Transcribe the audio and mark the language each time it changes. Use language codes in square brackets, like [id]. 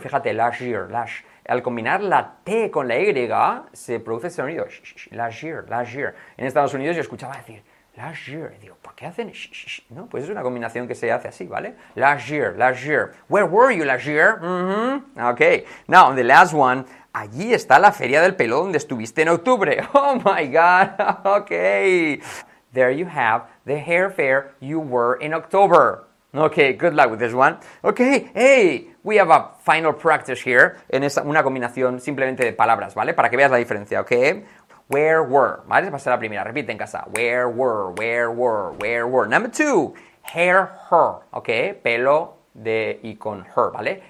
[es] Fíjate, last year, last. Al combinar la T con la Y, se produce ese sonido, last year. En Estados Unidos yo escuchaba decir, last year, y digo, ¿por qué hacen? No, pues es una combinación que se hace así, ¿vale? [en] Last year. Where were you last year? Mm-hmm. Okay. Now, the last one. [es] Allí está la feria del pelo donde estuviste en octubre. [en] Oh, my God. Okay. There you have the hair fair you were in October. Okay, good luck with this one. Okay, hey, we have a final practice here. [es] En esa, una combinación simplemente de palabras, ¿vale? Para que veas la diferencia, okay? Where were, ¿vale? Va a ser la primera, repite en casa. Where were. [en] Number two, hair her, ¿ok? [es] Pelo de y con [en] her, ¿vale?